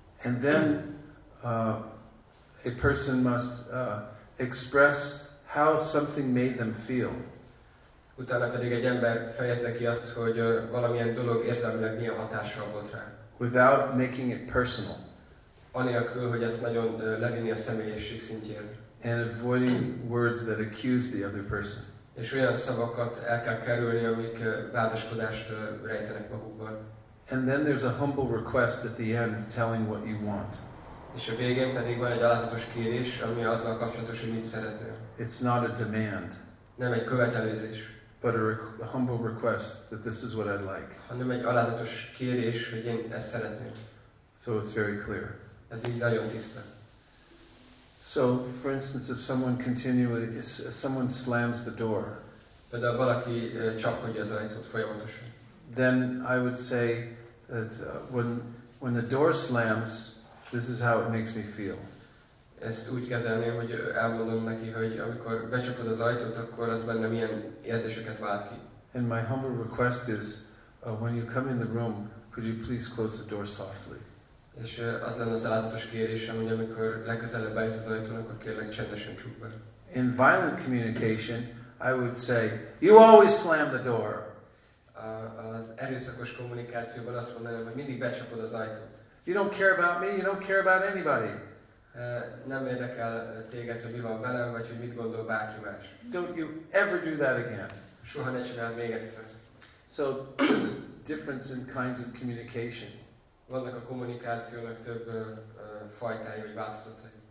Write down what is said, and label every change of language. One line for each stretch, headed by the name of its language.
English: And then a person must express how something made them feel.
Hungarian: Utána pedig egy ember fejezze ki azt, hogy valamilyen dolog érzelmileg milyen hatással volt rá.
English: Without making it personal.
Hungarian: Anélkül, hogy ezt nagyon levinni a személyiség szintjére.
English: And avoiding words that accuse the other person.
Hungarian: És olyan szavakat el kell kerülni, amik vádaskodást rejtenek magukban.
English: And then there's a humble request at the end telling what you want.
Hungarian: És a végén pedig van egy alázatos kérés, ami azzal kapcsolatos, hogy mit szeretnél.
English: It's not a demand.
Hungarian: Nem egy követelőzés.
English: But a humble request that this is what I'd like.
Hungarian: Hanem egy alázatos kérés, hogy én ezt szeretném.
English: So it's very clear.
Hungarian: Ez így nagyon tiszta.
English: So, for instance, if someone continually, if someone slams the door,
Hungarian: például valaki csapkodja az ajtót folyamatosan,
English: then I would say that when the door slams, this is how it makes me feel.
Hungarian: Ezt úgy kezelném, hogy elmondom neki, hogy amikor becsapod az ajtót, akkor az benne milyen érzéseket vált ki.
English: And my humble request is, when you come in the room, could you please close the door softly?
Hungarian: És az lenne az alázatos kérésem, hogy amikor legközelebb bejössz az ajtón, akkor kérlek csendesen csukd be.
English: In violent communication, I would say, you always slam the door.
Hungarian: Az erőszakos kommunikációban azt mondanám, hogy mindig becsapod az ajtót.
English: You don't care about me, you don't care about anybody.
Hungarian: Nem érdekel téged, hogy mi van velem, vagy hogy mit gondol bárki más.
English: Don't you ever do that again.
Hungarian: Soha ne csináld még egyszer.
English: So, there's a difference in kinds of communication.
Hungarian: Vannak a kommunikációnak több fajtája, vagy változatai.